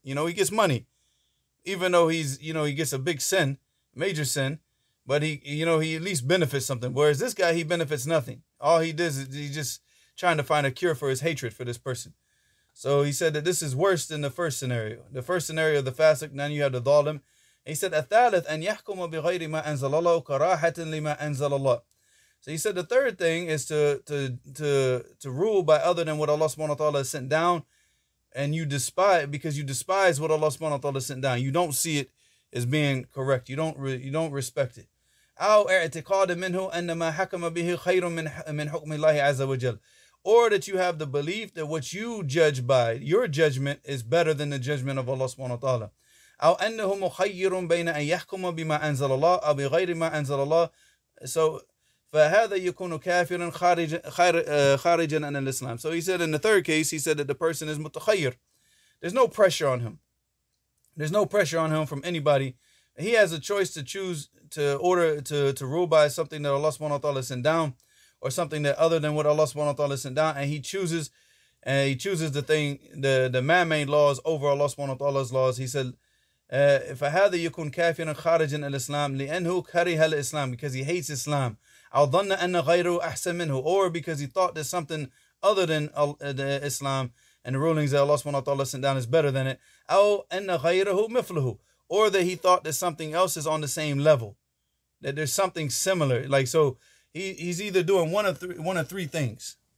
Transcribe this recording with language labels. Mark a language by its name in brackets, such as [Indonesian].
[English] You know, he gets money, even though he's, you know, he gets a big sin, major sin, but he at least benefits something. Whereas this guy, he benefits nothing. All he does is he's just trying to find a cure for his hatred for this person. So he said that this is worse than the first scenario. The first scenario, the fasiq, then you have the dhalim. He said, [Arabic] الثالث أن يحكم بغير ما أنزل الله كراهة لما أنزل الله. [English] So he said the third thing is to rule by other than what Allah subhanahu wa ta'ala has sent down, and you despise, because you despise what Allah subhanahu wa ta'ala has sent down. You don't see it as being correct. You don't respect it. [Arabic] أو اعتقاد منه أن ما حكم به خير من حكم الله عز وجل. [English] Or that you have the belief that what you judge by, your judgment, is better than the judgment of Allah subhanahu wa ta'ala. [Arabic] أو أنه مخير بين أن يحكم بما أنزل الله أو بغير ما أنزل الله. So, فهذا يكون كافرا خارجا عن الإسلام. [English] So he said in the third case, he said that the person is متخير. There's no pressure on him. There's no pressure on him from anybody. He has a choice to choose to order to rule by something that Allah subhanahu wa ta'ala sent down, or something that other than what Allah subhanahu wa ta'ala sent down, and he chooses the thing, the man-made laws over Allah subhanahu wa ta'ala's laws. He said, [Arabic] فَهَذَا يَكُنْ كَافِرًا خَارِجًا الْإِسْلَامِ لِأَنْهُ كَرِهَ الْإِسْلَامِ, [English] because he hates Islam. [Arabic] أَوْ ظَنَّ أَنَّ غَيْرُ أَحْسَنَ مِنْهُ, [English] or because he thought that something other than the Islam and the rulings that Allah subhanahu wa ta'ala sent down is better than it. [Arabic] أَوْ أَنَّ غَيْرَهُ مِفْلُهُ, [English] or that he thought that something else is on the same level, that there's something similar. Like, so he's either doing one of three things.